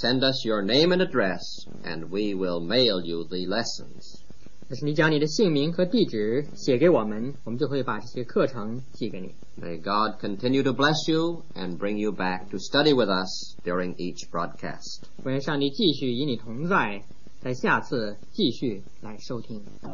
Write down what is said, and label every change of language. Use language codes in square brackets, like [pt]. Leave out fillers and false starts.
[en] Send us your name and address, and we will mail you the lessons. [zh] 但是你将你的姓名和地址写给我们，我们就会把这些课程寄给你。 [en] May God continue to bless you and bring you back to study with us during each broadcast. [zh] 愿上帝继续与你同在，在下次继续来收听。